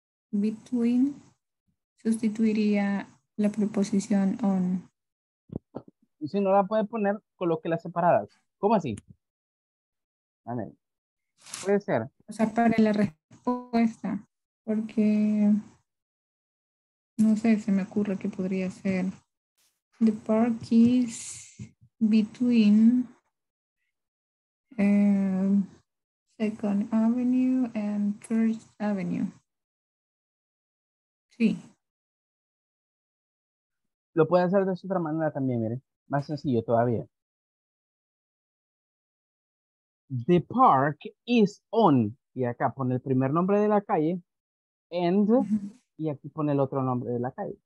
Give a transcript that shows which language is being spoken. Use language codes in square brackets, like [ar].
[es] Between sustituiría la preposición on. Y si no la puede poner, coloque las separadas. ¿Cómo así? A ver. Puede ser. O sea, para la respuesta. Porque no sé, se me ocurre que podría ser. [en] The park is between Second Avenue and First Avenue. [es] Sí. Lo puede hacer de otra manera también, miren. Más sencillo todavía. [en] The park is on. [es] Y acá pone el primer nombre de la calle. And. Y aquí pone el otro nombre de la calle.